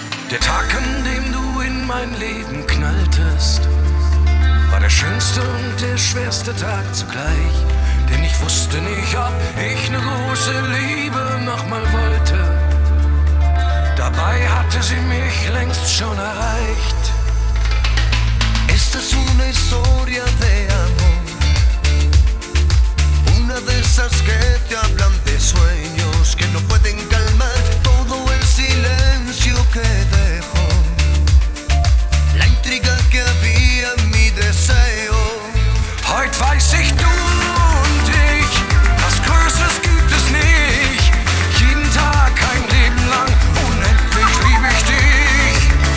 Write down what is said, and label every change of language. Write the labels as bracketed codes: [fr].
[de] Der Tag, an dem du in mein Leben knalltest, war der schönste und der schwerste Tag zugleich. Denn ich wusste nicht, ob ich eine große Liebe nochmal wollte. Dabei hatte sie mich längst schon erreicht. [es] Esta es una historia de amor, una de esas que te hablan de sueños que no pueden calmar todo el silencio que dejó la intriga que había en mi deseo. [de] Heute weiß ich, du und ich, was Größeres gibt es nicht. Jeden Tag, ein Leben lang, unendlich lieb ich dich.